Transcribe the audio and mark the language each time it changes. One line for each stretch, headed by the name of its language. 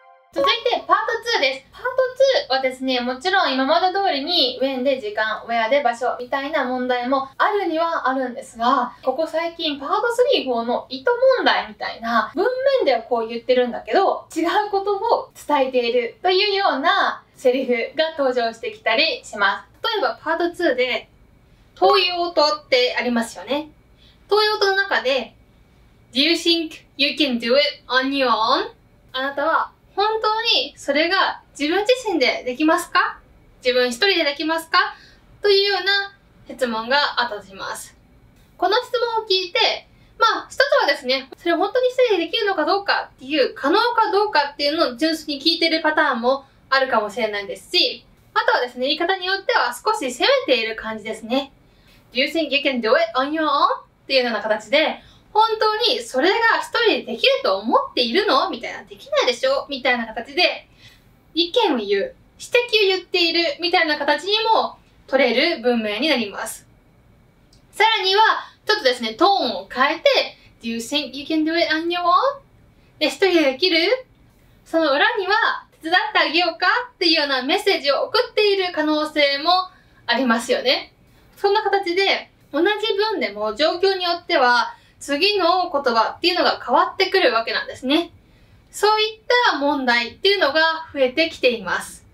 Japanese: 続いてパート2です。パート2はですね、もちろん今まで通りに when で時間、where で場所みたいな問題もあるにはあるんですが、ここ最近パート3号の意図問題みたいな、文面ではこう言ってるんだけど違うことを伝えているというようなセリフが登場してきたりします。例えばパート2で遠い音ってありますよね。遠い音の中で
English: Do you think you can do it on your own?
Japanese: あなたは本当にそれが自分自身でできますか、自分一人でできますか、というような質問があったとします。この質問を聞いて、まあ一つはですね、それ本当に一人でできるのかどうかっていう、可能かどうかっていうのを純粋に聞いてるパターンもあるかもしれないですし、あとはですね、言い方によっては少し責めている感じですね。
English: Do you think you can do it on your own?
Japanese: っていうような形で、本当にそれが一人でできると思っているの? みたいな、できないでしょ?みたいな形で意見を言う、指摘を言っているみたいな形にも取れる文面になります。さらにはちょっとですね、トーンを変えて、
English: Do you think you can do it on your own?
Japanese: で、一人でできる？その裏には手伝ってあげようかっていうようなメッセージを送っている可能性もありますよね。そんな形で同じ文でも状況によっては次の言葉っていうのが変わってくるわけなんですね。そういった問題っていうのが増えてきています。